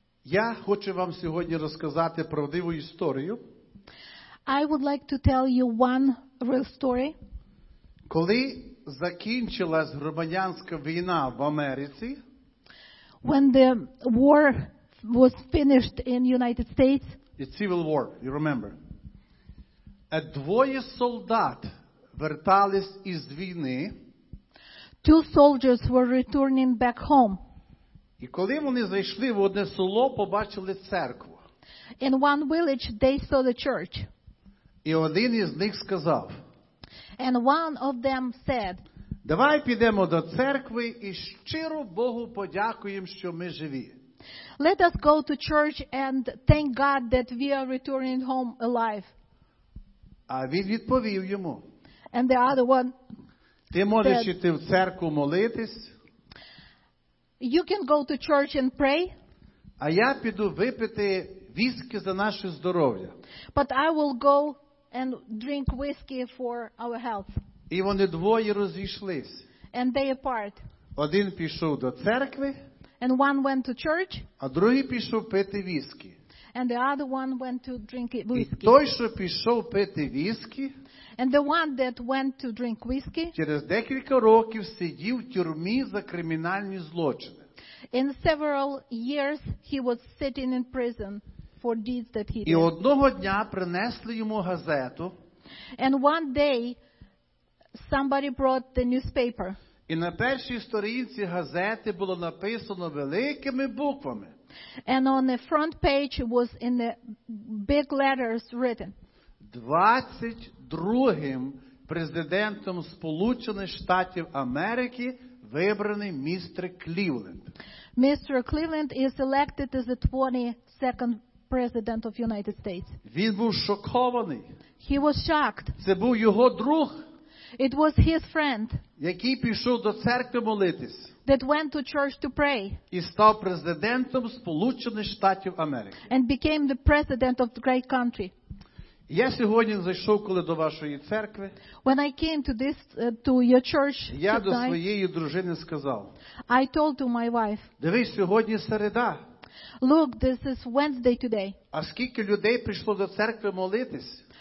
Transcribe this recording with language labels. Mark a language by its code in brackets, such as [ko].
[uk] Я хочу вам сьогодні розказати правдиву історію. [en] I would like to tell you one real story. [uk] Коли закінчилась громадянська війна в Америці. [en] When the war was finished in United States. The Civil War, you remember. [uk] А двоє солдат верталися із війни. [en] Two soldiers were returning back home. [uk] І коли вони зайшли в одне село, побачили церкву. [en] In one village they saw the church. [uk] І один із них сказав. [en] And one of them said, [uk] давай підемо до церкви і щиро Богу подякуємо, що ми живі. [en] Let us go to church and thank God that we are returning home alive. [uk] А він відповів йому. [en] And the other one said, [uk] ти можеш іти в церкву молитись. [en] You can go to church and pray. [uk] А я піду випити віскі за наше здоров'я. [en] But I will go and drink whiskey for our health. [uk] І вони двоє розійшлись. [en] And they apart. [uk] Один пішов до церкви. [en] And one went to church. [uk] А другий пішов пити віскі. [en] And the other one went to drink whiskey. [uk] І той, що пішов пити віскі. [en] And the one that went to drink whiskey. [uk] Через декілька років сидів в тюрмі за кримінальні злочини. [en] In several years he was sitting in prison for deeds that he did. [uk] І одного дня принесли йому газету. [en] And one day somebody brought the newspaper. [uk] І на першій сторінці газети було написано великими буквами. [en] And on the front page was in the big letters written. [uk] 22-м президентом Сполучених Штатів Америки вибраний містер Клівленд. [en] Mr. Cleveland is elected as the 22nd president of United States. [uk] Він був шокований. [en] He was shocked. [uk] Це був його друг. [en] It was his friend, [uk] який пішов до церкви молитись, [en] that went to church to pray, [uk] і став президентом Сполучених Штатів Америки, [en] and became the president of the great country. [uk] Я сьогодні зайшов коли до вашої церкви. [en] When I came to this to your church, [uk] я до своєї дружини сказав. [en] I told to my wife. [uk] Дивись, сьогодні середа. [en] Look, this is Wednesday today. [uk] А скільки людей прийшло до церкви молитись?